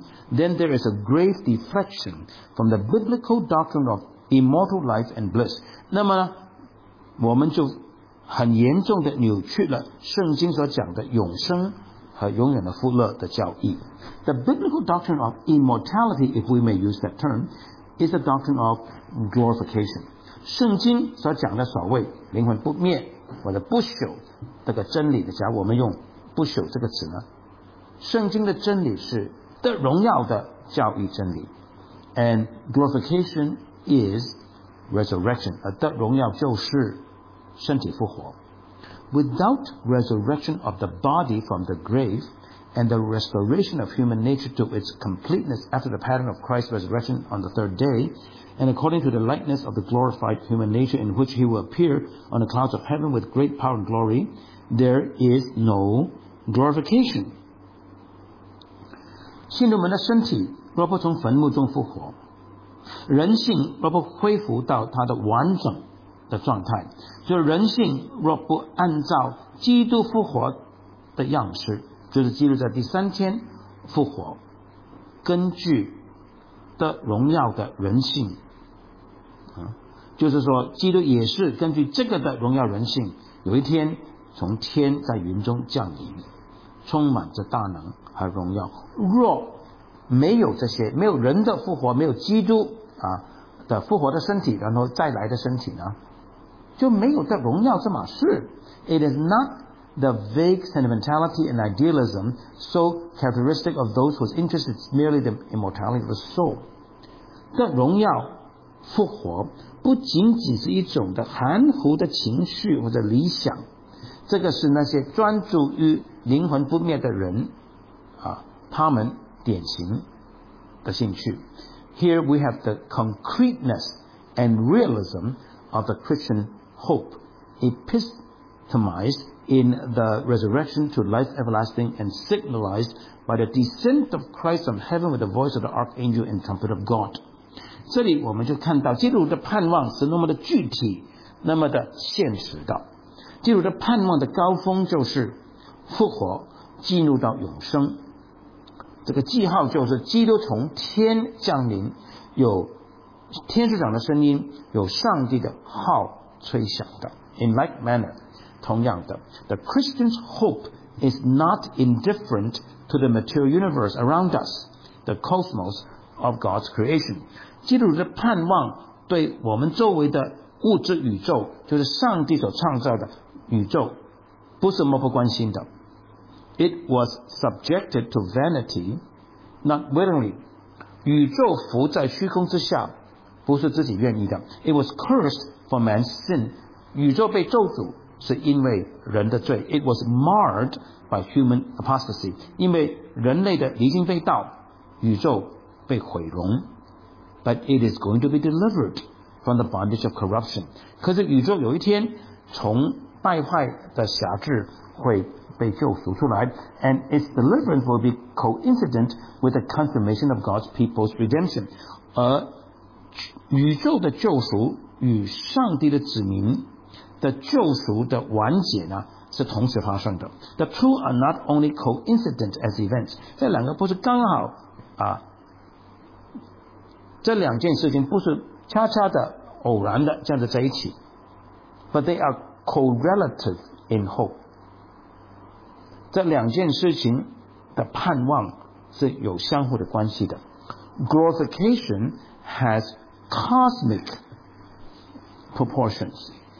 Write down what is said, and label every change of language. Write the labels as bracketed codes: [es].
[en] then there is a grave deflection from the biblical doctrine of immortal life and bliss. [zh] 那么我们就很严重的扭曲了圣经所讲的永生和永远的富乐的教义。 [en] The biblical doctrine of immortality, if we may use that term, is a doctrine of glorification. [zh] 圣经所讲的所谓灵魂不灭或者不朽这个真理的，假如我们用不朽这个词呢，圣经的真理是得荣耀的教义真理。 [en] And glorification is resurrection. [zh] 而得荣耀就是身体复活。 [en] Without resurrection of the body from the grave and the restoration of human nature to its completeness after the pattern of Christ's resurrection on the third day and according to the likeness of the glorified human nature in which he will appear on the clouds of heaven with great power and glory, there is no glorification. [zh] 信徒们的身体若不从坟墓中复活，人性若不恢复到它的完整的状态，就是人性若不按照基督复活的样式，就是基督在第三天复活，根据的荣耀的人性，就是说基督也是根据这个的荣耀人性，有一天从天在云中降临，充满着大能和荣耀。若没有这些，没有人的复活，没有基督啊的复活的身体，然后再来的身体呢，就没有这荣耀这码事。 [en] It is not the vague sentimentality and idealism so characteristic of those whose interest is merely the immortality of the soul. [zh] 这荣耀复活不仅仅是一种的含糊的情绪或者理想，这个是那些专注于灵魂不灭的人啊，他们典型的兴趣。 [en] Here we have the concreteness and realism of the Christian hope epitomized in the resurrection to life everlasting and signalized by the descent of Christ from heaven with the voice of the archangel and trumpet of God. [zh] 这里我们就看到基督的盼望是那么的具体，那么的现实的。基督的盼望的高峰就是复活，进入到永生。这个记号就是基督从天降临，有天使长的声音，有上帝的号吹响的。 [en] In like manner, [zh] 同样的， [en] The Christian's hope is not indifferent to the material universe around us, the cosmos of God's creation. [zh] 基督的盼望对我们周围的物质宇宙，就是上帝所创造的宇宙，不是漠不关心的。 [en] It was subjected to vanity, not willingly. [zh] 宇宙浮在虚空之下，不是自己愿意的。 [en] It was cursed for man's sin. [zh] 宇宙被咒诅是因为人的罪。 [en] It was marred by human apostasy. [zh] 因为人类的离经背道，宇宙被毁容。 [en] But it is going to be delivered from the bondage of corruption. [zh] 可是宇宙有一天从败坏的辖制会被救赎出来。 [en] And its deliverance will be coincident with the consummation of God's people's redemption. [zh] 而宇宙的救赎与上帝的子民的救赎的完结呢，是同时发生的。 [en] The two are not only coincident as events. [zh] 这两个不是刚好啊，这两件事情不是恰恰的偶然的这样子在一起。 [en] But they are correlative in hope. [zh] 这两件事情的盼望是有相互的关系的。 [en] Glorification has cosmic proportions.